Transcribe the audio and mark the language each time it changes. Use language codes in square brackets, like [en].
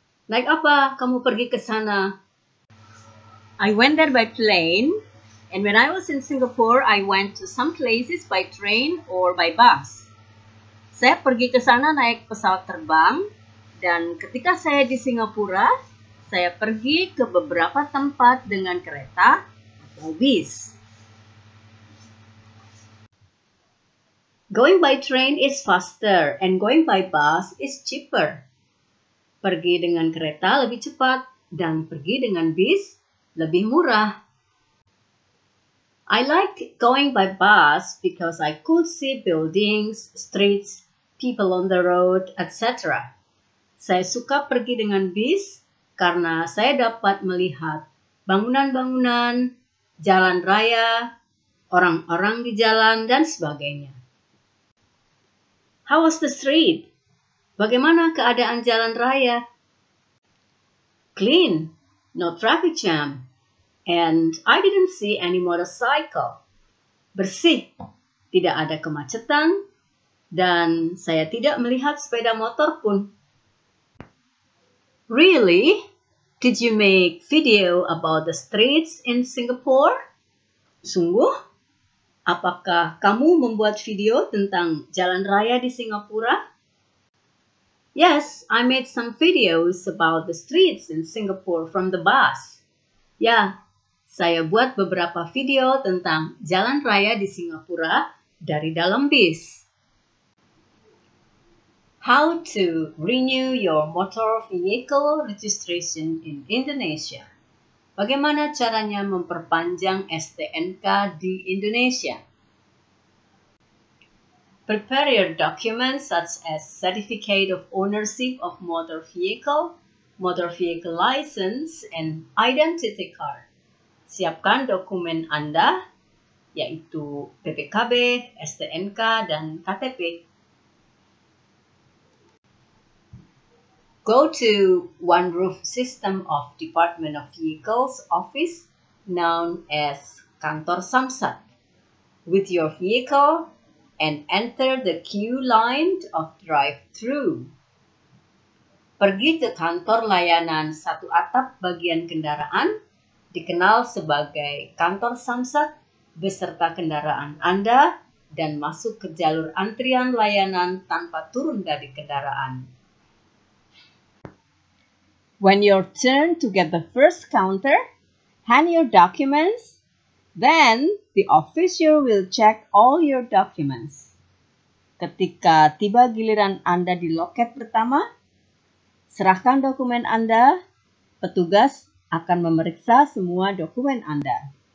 [id] Naik apa kamu pergi ke sana? [en] I went there by plane. And when I was in Singapore, I went to some places by train or by bus. [id] Saya pergi ke sana naik pesawat terbang, dan ketika saya di Singapura, saya pergi ke beberapa tempat dengan kereta atau bis. [en] Going by train is faster and going by bus is cheaper. [id] Pergi dengan kereta lebih cepat dan pergi dengan bis lebih murah. [en] I like going by bus because I could see buildings, streets, people on the road, etc. [id] Saya suka pergi dengan bis karena saya dapat melihat bangunan-bangunan, jalan raya, orang-orang di jalan, dan sebagainya. [en] How was the street? [id] Bagaimana keadaan jalan raya? [en] Clean, no traffic jam. And I didn't see any motorcycle. [id] Bersih, tidak ada kemacetan, dan saya tidak melihat sepeda motor pun. [en] Really? Did you make video about the streets in Singapore? [id] Sungguh? Apakah kamu membuat video tentang jalan raya di Singapura? [en] Yes, I made some videos about the streets in Singapore from the bus. Yeah. [id] Saya buat beberapa video tentang jalan raya di Singapura dari dalam bis. [en] How to renew your motor vehicle registration in Indonesia? [id] Bagaimana caranya memperpanjang STNK di Indonesia? [en] Prepare your documents such as certificate of ownership of motor vehicle license, and identity card. [id] Siapkan dokumen Anda, yaitu PPKB, STNK, dan KTP. [en] Go to One Roof System of Department of Vehicles Office, known as Kantor Samsat, with your vehicle and enter the queue line of drive-through. [id] pergi ke kantor layanan satu atap bagian kendaraan, dikenal sebagai kantor samsat, beserta kendaraan Anda, dan masuk ke jalur antrian layanan tanpa turun dari kendaraan. [en] When your turn to get the first counter, hand your documents, then the official will check all your documents. [id] Ketika tiba giliran Anda di loket pertama, serahkan dokumen Anda, petugas akan memeriksa semua dokumen Anda.